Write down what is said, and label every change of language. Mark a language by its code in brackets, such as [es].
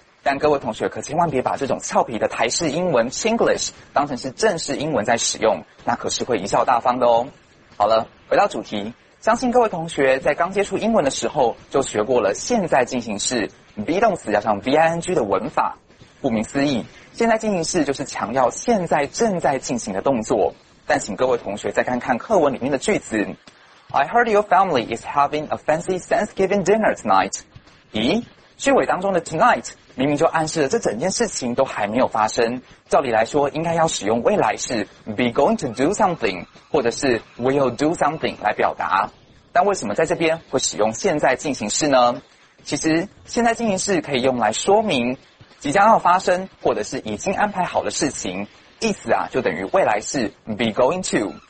[zh] 但各位同学可千万别把这种俏皮的台式英文 Chinglish 当成是正式英文在使用，那可是会贻笑大方的哦。好了，回到主题，相信各位同学在刚接触英文的时候就学过了现在进行式 be 动词加上 VING 的文法。顾名思义，现在进行式就是强调现在正在进行的动作。但请各位同学再看看课文里面的句子， [en] I heard your family is having a fancy Thanksgiving dinner tonight. [zh] 咦？句尾当中的 tonight 明明就暗示了这整件事情都还没有发生，照理来说应该要使用未来式 [en] be going to do something [zh] 或者是 [en] will do something [zh] 来表达，但为什么在这边会使用现在进行式呢？其实现在进行式可以用来说明即将要发生或者是已经安排好的事情，意思啊就等于未来式 be going to。